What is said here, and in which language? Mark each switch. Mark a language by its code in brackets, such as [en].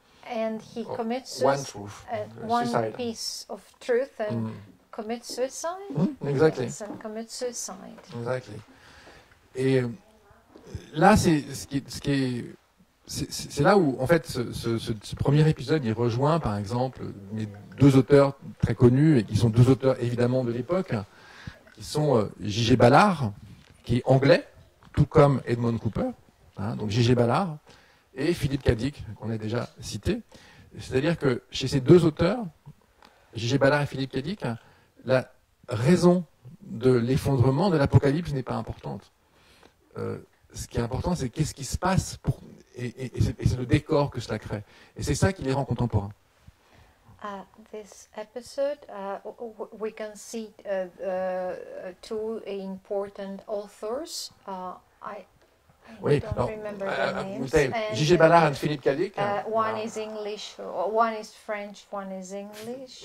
[en] and he commits one piece of truth and commits suicide. [fr] Et là, c'est ce qui est là où, en fait, ce premier épisode, il rejoint, par exemple, mes deux auteurs très connus, et qui sont deux auteurs, évidemment, de l'époque, qui sont J.G. Ballard, qui est anglais, tout comme Edmund Cooper, hein, donc J.G. Ballard, et Philip K. Dick, qu'on a déjà cité. C'est-à-dire que chez ces deux auteurs, J.G. Ballard et Philip K. Dick, la raison de l'effondrement de l'apocalypse n'est pas importante. Ce qui est important, c'est qu'est-ce qui se passe pour, et c'est le décor que cela crée. Et c'est ça qui les rend contemporains. [en] This episode, we can see two important authors. [fr] J.G. Ballard et Philip K. Dick. [en] One is English, one is French, one is English.